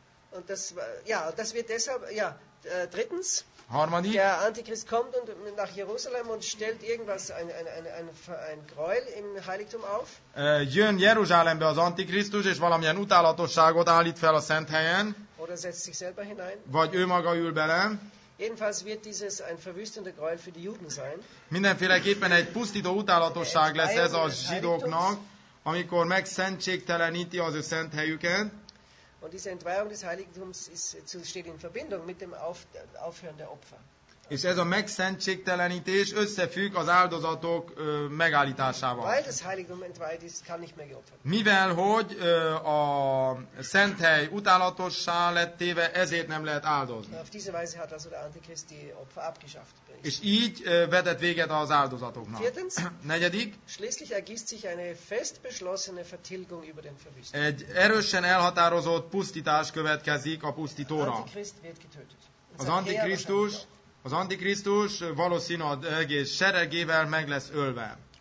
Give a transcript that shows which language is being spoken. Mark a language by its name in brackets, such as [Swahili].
[German] Und das ja, das wird deshalb ja, drittens. [Hungarian] Harmadik. [German] Der Antichrist kommt und nach Jerusalem und stellt irgendwas ein Gräuel im Heiligtum auf. [Hungarian] Jön Jeruzsálembe az Antikrisztus és valamilyen utálatosságot állít fel a szent helyen. [German] Oder setzt sich selber hinein. [Hungarian] Vagy ő maga ül bele. [German] Jedenfalls wird dieses ein verwüstender Gräuel für die Juden sein. [Hungarian] Mindenféleképpen egy pusztító utálatosság lesz ez a zsidóknak, amikor megszentségteleníti az ő szent helyüket. [German] Und diese Entweihung des Heiligtums steht in Verbindung mit dem Aufhören der Opfer. [Hungarian] És ez a megszentségtelenítés összefügg az áldozatok megállításával. [German] Weil das Heiligtum entweiht ist, kann nicht mehr geopfert. [Hungarian] Mivel hogy a szent hely utálatossá lett téve, ezért nem lehet áldozni. [German] Auf diese Weise hat also der Antichrist die Opfer abgeschafft. [Hungarian] És így vetett véget az áldozatoknak. [German] Viertens. [Hungarian] Negyedik. [German] Schließlich ergießt sich eine fest beschlossene Vertilgung über den Verwüster. [Hungarian] Egy erősen elhatározott pusztítás következik a pusztítóra. [German] Antichrist wird getötet. [Hungarian] Az Antikrisztus valószínűleg egész seregével meg lesz ölve.